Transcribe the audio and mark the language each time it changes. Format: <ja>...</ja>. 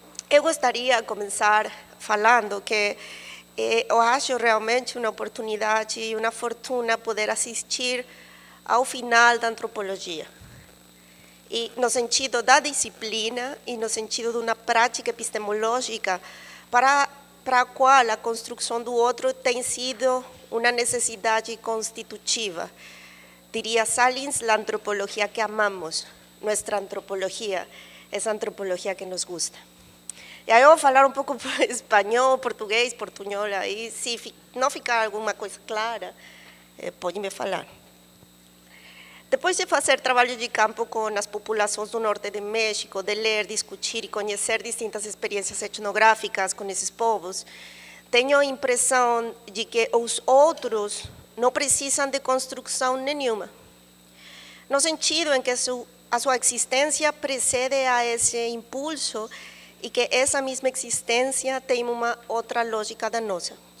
<pt>Eu gostaria de começar falando que eu acho realmente uma oportunidade e uma fortuna poder assistir ao final da antropologia. E no sentido da disciplina e no sentido de uma prática epistemológica para a qual a construção do outro tem sido uma necessidade constitutiva. Diria Salins, a antropologia que amamos,</pt> <es>nuestra antropología, esa antropología que nos gusta. Y ahí voy a hablar un poco español, portugués, portuñola, y si no</es> <pt>fica</pt> <es>alguna cosa clara, pónganme a hablar. Después de hacer trabajo de campo con las poblaciones del norte de México, de leer, discutir y conocer distintas experiencias etnográficas con esos pueblos, tengo la impresión de que los otros no precisan de construcción ninguna.</es> <pt>No sentido en que</pt> <es>su</es> <pt>a sua existência precede a esse impulso e que essa mesma existência tem uma outra lógica da nossa.</pt>